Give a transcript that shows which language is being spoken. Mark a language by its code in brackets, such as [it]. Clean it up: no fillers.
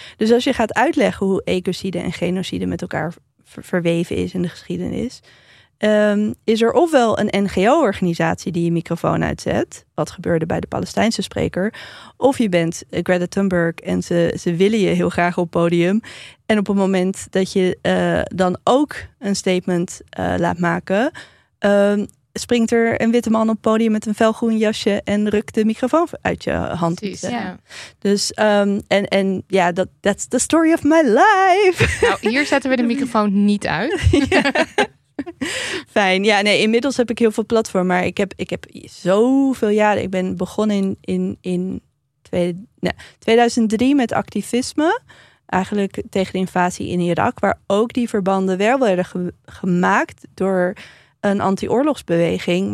[nl] Dus als je gaat uitleggen hoe ecocide en genocide met elkaar verweven is in de geschiedenis, is er ofwel een NGO-organisatie die je microfoon uitzet, wat gebeurde bij de Palestijnse spreker, of je bent Greta Thunberg en ze willen je heel graag op podium. En op het moment dat je dan ook een statement laat maken, springt er een witte man op het podium met een felgroen jasje en rukt de microfoon uit je hand. Precies, ja. Dus en ja, [en] that's the story of my life. [nl] Nou, hier zetten we de microfoon niet uit. Fijn. Ja, nee, inmiddels heb ik heel veel platform. Maar ik heb zoveel jaren. Ik ben begonnen in 2003 met activisme. Eigenlijk tegen de invasie in Irak. Waar ook die verbanden wel werden gemaakt door een anti-oorlogsbeweging.